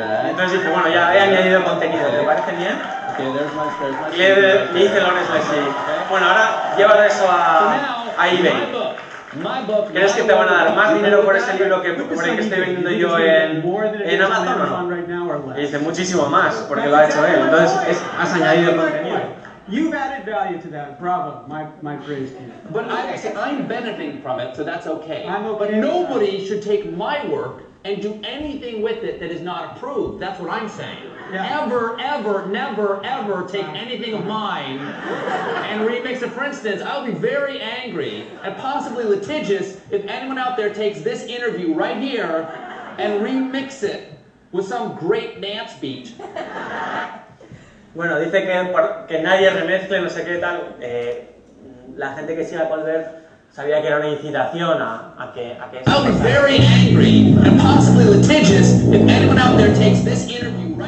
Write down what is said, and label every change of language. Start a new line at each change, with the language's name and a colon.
Spanish: Entonces dice, bueno, ya he añadido contenido, ¿te parece bien? Y le dice Lawrence Lessig, bueno, ahora llévalo eso a eBay. ¿Crees que te van a dar más dinero por ese libro que por el que estoy vendiendo yo en Amazon o no? Y dice, muchísimo más, porque lo ha hecho él. Entonces, has añadido contenido.
English: You've added value to that, bravo, my phrase. But I'm benefiting from it, so that's okay. I'm okay. But nobody should take my work and do anything with it that is not approved. That's what I'm saying. Yeah. Ever, ever, never, ever take anything of mine and remix it. For instance, I'll be very angry and possibly litigious if anyone out there takes this interview right here and remix it with some great dance beat.
Spanish: Bueno, dice que nadie remezcle, no sé qué tal. La gente que sigue a Colbert sabía que era una incitación a que
English: I'll be very angry and possibly litigious if anyone out there takes this interview